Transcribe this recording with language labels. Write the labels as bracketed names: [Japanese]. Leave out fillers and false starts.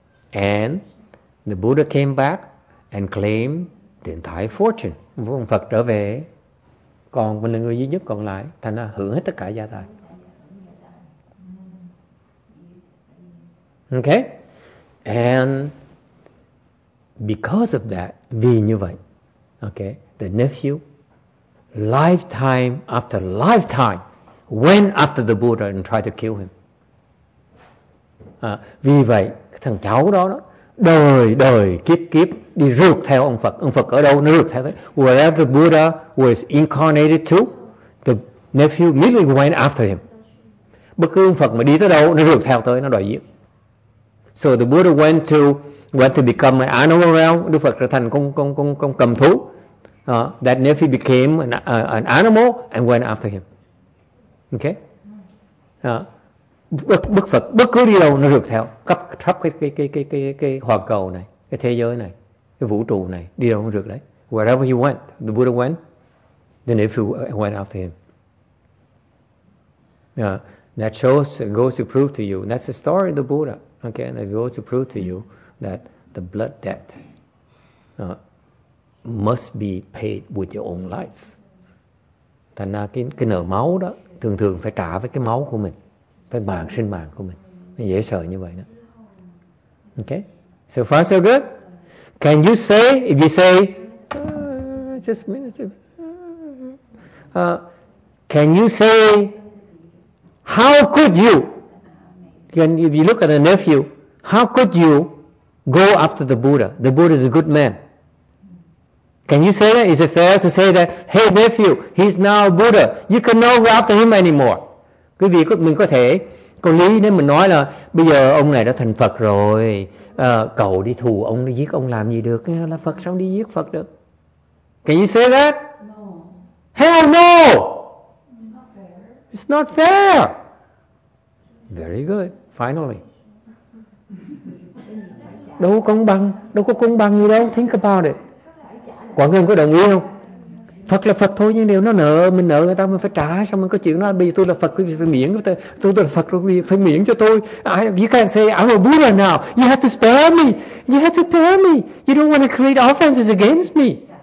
[English] And the Buddha came back and claimed the entire fortune. [Vietnamese] Phật trở về. Còn mình là người duy nhất còn lại, thành ra hưởng hết tất cả gia tài. [English] Okay? And because of that, [Vietnamese] vì như vậy, [English] okay, the nephew, lifetime after lifetime, went after the Buddha and tried to kill him. [Vietnamese] Vì vậy, thằng cháu đó, đời đời kiếp kiếp đi rượt theo ông Phật. Ông Phật ở đâu nó rượt theo thế. [English] Wherever the Buddha was incarnated to, the nephew immediately went after him. [Vietnamese] Bất cứ ông Phật mà đi tới đâu nó rượt theo tới, nó đòi giết. [English] So the Buddha went to become an animal realm. [Vietnamese] Đức Phật trở thành con cầm thú. [English] That nephew became an animal and went after him. Okay? [Vietnamese] Bất Phật bất cứ đi đâu nó rượt theo khắp cái hoàn cầu này, cái thế giới này, cái vũ trụ này, đi đâu cũng rượt đấy. [English] Wherever he went, the Buddha went, the nephew went after him. That shows, it goes to prove to you, that's the story of the Buddha. Okay, and it goes to prove to you that the blood debt must be paid with your own life. [Vietnamese] Thành ra cái nợ máu đó thường thường phải trả với cái máu của mình, phải mạng sinh mạng của mình. Dễ sợ như vậy đó. [English] Okay, so far so good. Can you say, if you say, just a minute, can you say, how could you, if you look at the nephew, how could you go after the Buddha? The Buddha is a good man. Can you say that? Is it fair to say that, hey nephew, he's now Buddha, you can not go after him anymore? [Vietnamese] Quý vị, mình có thể, có lý nếu mình nói là, bây giờ ông này đã thành Phật rồi, cậu đi thù ông, đi giết ông làm gì được, là Phật sao đi giết Phật được. [English] Can you say that? No. Hell no! It's not fair. It's not fair. Very good, finally. [Vietnamese] Đâu có công bằng, đâu có công bằng gì đâu, [English] think about it. [Vietnamese] Quảng Nguyên có đồng ý không? Phật là Phật thôi, nhưng nếu nó nợ, mình nợ người ta mình phải trả, xong mình có chuyện nói, bây giờ tôi là Phật, quý vị phải miễn, tôi là Phật, quý vị phải miễn cho tôi. [English] You can't say, I'm a Buddha now, you have to spare me, you have to spare me, you don't want to create offenses against me.